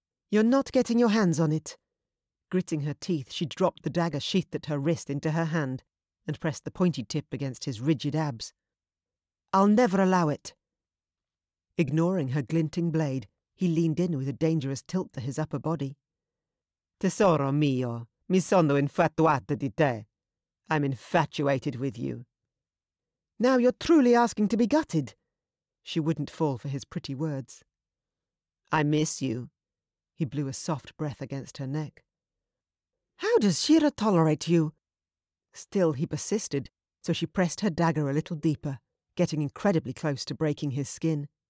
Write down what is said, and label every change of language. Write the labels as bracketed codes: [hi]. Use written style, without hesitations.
[en] "You're not getting your hands on it." Gritting her teeth, she dropped the dagger sheathed at her wrist into her hand and pressed the pointy tip against his rigid abs. "I'll never allow it." Ignoring her glinting blade, he leaned in with a dangerous tilt to his upper body. [it] "Tesoro mio, mi sono infatuata di te. [en] I'm infatuated with you." "Now you're truly asking to be gutted." She wouldn't fall for his pretty words. "I miss you." He blew a soft breath against her neck. "How does Shira tolerate you?" Still, he persisted, so she pressed her dagger a little deeper, getting incredibly close to breaking his skin.